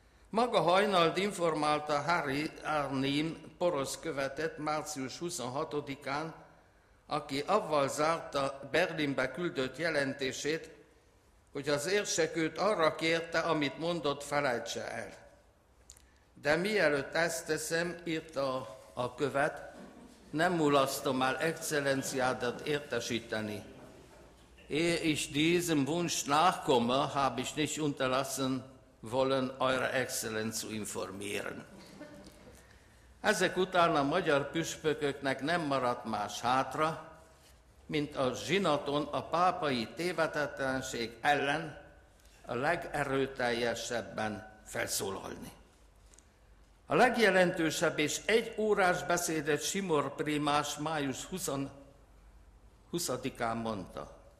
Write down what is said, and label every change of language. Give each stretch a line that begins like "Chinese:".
Hungarian: Maga Hajnald informálta Harry Arnim porosz követet március 26-án, aki avval zárta Berlinbe küldött jelentését, hogy az érsekőt arra kérte, amit mondott, felejtse el. De mielőtt ezt teszem, írta a követ, nem mulasztom el excellenciádat értesíteni.
German: Ehe ich diesem Wunsch nachkomme, habe ich nicht unterlassen, wollen eure Exzellenz zu informieren.
Hungarian: Ezek után a magyar püspököknek nem maradt más hátra, mint a zsinaton a pápai tévedetlenség ellen a legerőteljesebben felszólalni. A legjelentősebb és egy órás beszédet Simor prímás május 20-án mondta.